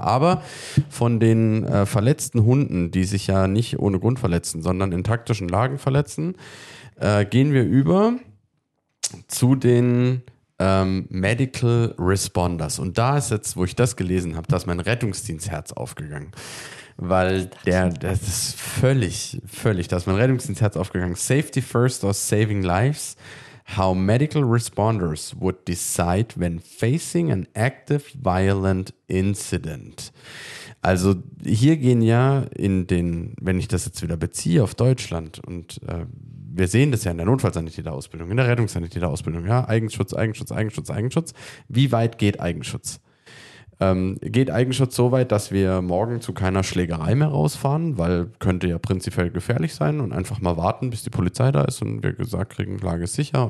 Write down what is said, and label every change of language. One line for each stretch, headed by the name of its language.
German: Aber von den verletzten Hunden, die sich ja nicht ohne Grund verletzen, sondern in taktischen Lagen verletzen, gehen wir über zu den Medical Responders. Und da ist jetzt, wo ich das gelesen habe, da ist mein Rettungsdienstherz aufgegangen. Weil das ist völlig, da ist mein Rettungsdienstherz aufgegangen.
English: Safety first or saving lives? How medical responders would decide when facing an active violent incident?
German: Also hier gehen ja in den, wenn ich das jetzt wieder beziehe auf Deutschland und wir sehen das ja in der Notfallsanitäterausbildung, in der Rettungssanitäterausbildung, ja, Eigenschutz, Eigenschutz, Eigenschutz, Eigenschutz. Wie weit geht Eigenschutz? Geht Eigenschutz so weit, dass wir morgen zu keiner Schlägerei mehr rausfahren, weil könnte ja prinzipiell gefährlich sein, und einfach mal warten, bis die Polizei da ist und wir gesagt kriegen, Lage ist sicher?